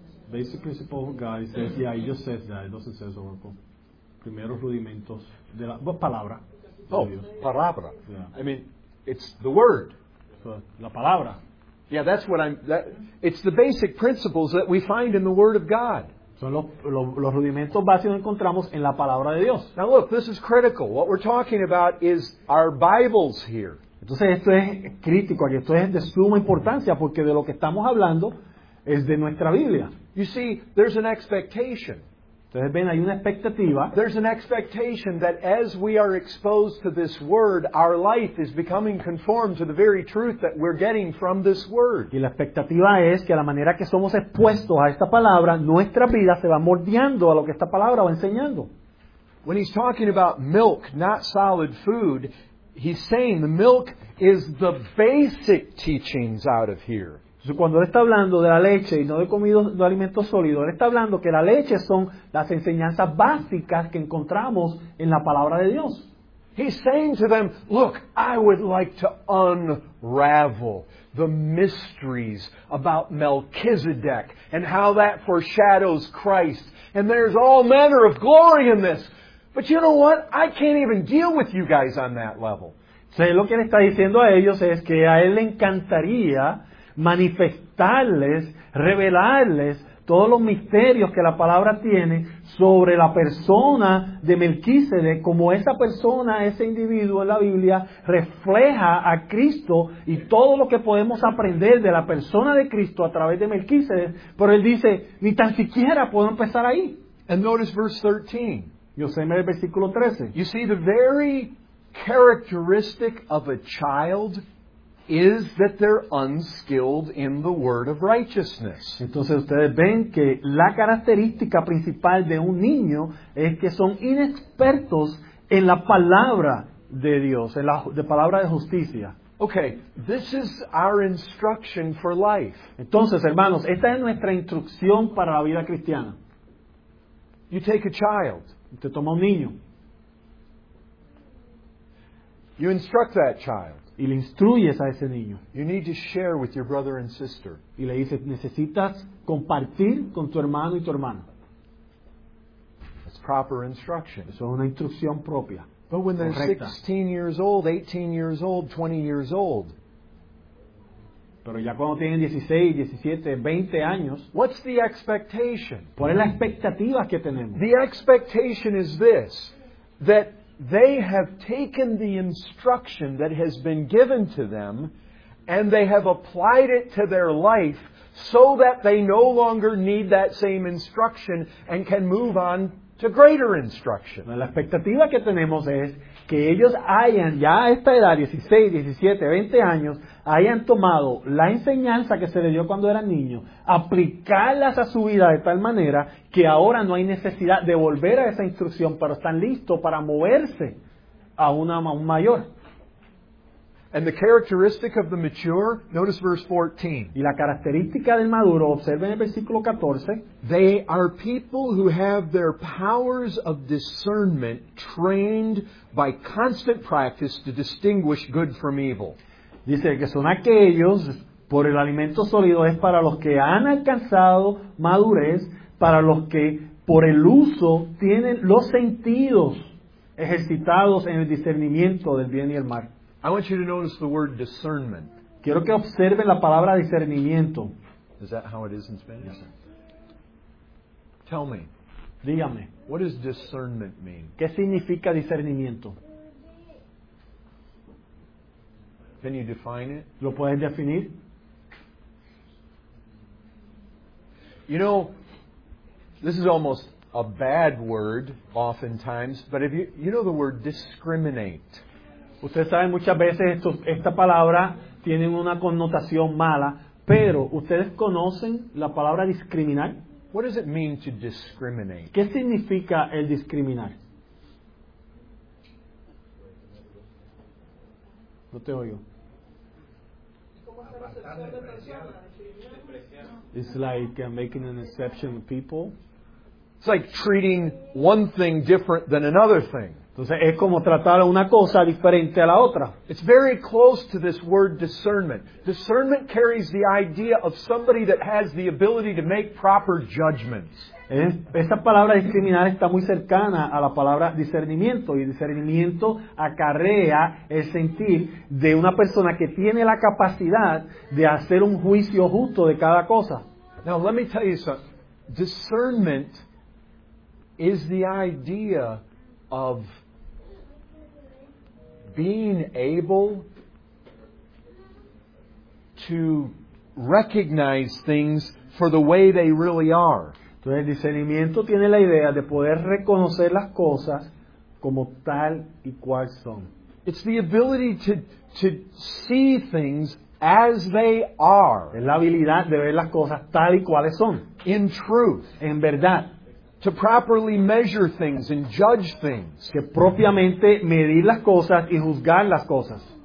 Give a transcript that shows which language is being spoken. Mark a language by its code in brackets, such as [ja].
[en] Basic principle of God, it says, yeah, it just says that, it doesn't say oracle. [es] Primeros rudimentos de la palabra. [en] Oh, palabra. Yeah. I mean, it's the word. [es] La palabra. [en] Yeah, that's what I'm... it's the basic principles that we find in the Word of God. [es] Son los rudimentos básicos que encontramos en la palabra de Dios. [en] Now look, this is critical. What we're talking about is our Bibles here. [es] Entonces esto es crítico aquí. Esto es de suma importancia porque de lo que estamos hablando es de nuestra Biblia. [en] You see, there's an expectation. [es] Entonces, ven, hay una expectativa. [en] There's an expectation that as we are exposed to this word, our life is becoming conformed to the very truth that we're getting from this word. [es] Y la expectativa es que a la manera que somos expuestos a esta palabra, nuestra vida se va moldeando a lo que esta palabra va enseñando. [en] When he's talking about milk, not solid food, he's saying the milk is the basic teachings out of here. [es] Cuando él está hablando de la leche y no de comido, de alimentos sólidos, él está hablando que la leche son las enseñanzas básicas que encontramos en la palabra de Dios. [en] He's saying to them, look, I would like to unravel the mysteries about Melchizedek and how that foreshadows Christ. And there's all manner of glory in this. But you know what? I can't even deal with you guys on that level. [es] Entonces, lo que él está diciendo a ellos es que a él le encantaría manifestarles, revelarles todos los misterios que la palabra tiene sobre la persona de Melquisedec, como esa persona, ese individuo en la Biblia refleja a Cristo y todo lo que podemos aprender de la persona de Cristo a través de Melquisedec. Pero él dice, ni tan siquiera puedo empezar ahí. [en] And notice verse 13. [es] Y observe el versículo 13. [en] You see, the very characteristic of a child is that they're unskilled in the word of righteousness. [es] Entonces ustedes ven que la característica principal de un niño es que son inexpertos en la palabra de Dios, en la de palabra de justicia. [en] Okay, this is our instruction for life. [es] Entonces, hermanos, esta es nuestra instrucción para la vida cristiana. [en] You take a child. [es] Usted toma un niño. [en] You instruct that child. [es] Y le instruyes a ese niño. [en] You need to share with your brother and sister. [es] Y le dices, necesitas compartir con tu hermano y tu hermana. [en] That's proper instruction. [es] Eso es una instrucción propia. [en] But when they're [es] correcta. [en] 16 years old, 18 years old, 20 years old. [es] Pero ya cuando tienen 16, 17, 20 años. [en] What's the expectation? [es] ¿Cuál es la expectativa que tenemos? [en] The expectation is this, that they have taken the instruction that has been given to them and they have applied it to their life so that they no longer need that same instruction and can move on to greater instruction. [es] La expectativa que tenemos es que ellos hayan, ya a esta edad, 16, 17, 20 años, hayan tomado la enseñanza que se les dio cuando eran niños, aplicarlas a su vida de tal manera que ahora no hay necesidad de volver a esa instrucción, pero están listos para moverse a una a un mayor. [en] And the characteristic of the mature, notice verse 14. [es] Y la característica del maduro, observen el versículo 14. [en] They are people who have their powers of discernment trained by constant practice to distinguish good from evil. [es] Dice que son aquellos, por el alimento sólido, es para los que han alcanzado madurez, para los que por el uso tienen los sentidos ejercitados en el discernimiento del bien y el mal. [en] I want you to notice the word discernment. [es] Quiero que observe la palabra discernimiento. [en] Is that how it is in Spanish? Yes, sir. Tell me. [es] Dígame. [en] What does discernment mean? [es] ¿Qué significa discernimiento? [en] Can you define it? [es] ¿Lo puedes definir? [en] You know, this is almost a bad word oftentimes, but if you know the word discriminate. [es] Ustedes saben, muchas veces esta palabra tiene una connotación mala, pero ¿ustedes conocen la palabra discriminar? [en] What does it mean to discriminate? [es] ¿Qué significa el discriminar? No te oigo. [en] It's like making an exception of people. It's like treating one thing different than another thing. [es] Entonces, es como tratar una cosa diferente a la otra. [en] It's very close to this word discernment. Discernment carries the idea of somebody that has the ability to make proper judgments. [es] Esta palabra discriminar está muy cercana a la palabra discernimiento. Y discernimiento acarrea el sentir de una persona que tiene la capacidad de hacer un juicio justo de cada cosa. [en] Now, let me tell you something. Discernment is the idea of being able to recognize things for the way they really are. [es] Entonces el discernimiento tiene la idea de poder reconocer las cosas como tal y cual son. [en] It's the ability to see things as they are. [es] Es la habilidad de ver las cosas tal y cuales son. [en] In truth. [es] En verdad. [en] To properly measure things and judge things. [es] Que propiamente medir las cosas y juzgar las cosas.